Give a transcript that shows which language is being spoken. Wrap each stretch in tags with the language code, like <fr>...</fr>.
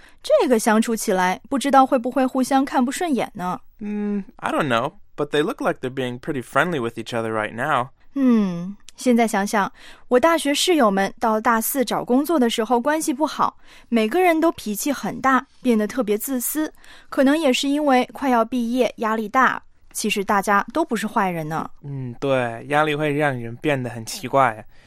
<zh>这个相处起来不知道会不会互相看不顺眼呢</zh> <en>I don't know, but they look like they're being pretty friendly with each other right now.</en> <zh>现在想想我大学室友们到大四找工作的时候关系不好每个人都脾气很大变得特别自私可能也是因为快要毕业压力大其实大家都不是坏人呢。对压力会让人变得很奇怪。</zh>